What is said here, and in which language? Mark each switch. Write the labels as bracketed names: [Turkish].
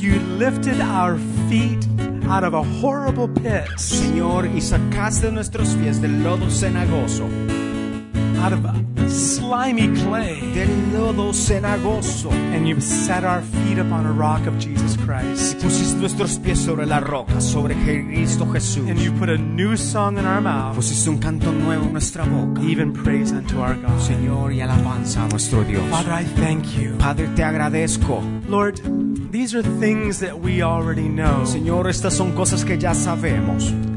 [English] You lifted our feet out of a horrible pit. [Spanish] Señor, y sacaste nuestros pies del lodo cenagoso. [English] Out of a slimy clay. [Spanish] Del lodo cenagoso. [English] And you've set our feet upon a rock of Jesus Christ. [Spanish] Y pusiste nuestros pies sobre la roca, sobre Cristo Jesús. [English] And you put a new song in our mouth. [Spanish] Pusiste un canto nuevo en nuestra boca. [English] Even praise unto our God. [Spanish] Señor, y alabanza a nuestro Dios. [English] Father, I thank you. [Spanish] Padre, te agradezco. [English] Lord, these are things that we already know. [Spanish] Señor, estas son cosas que ya sabemos.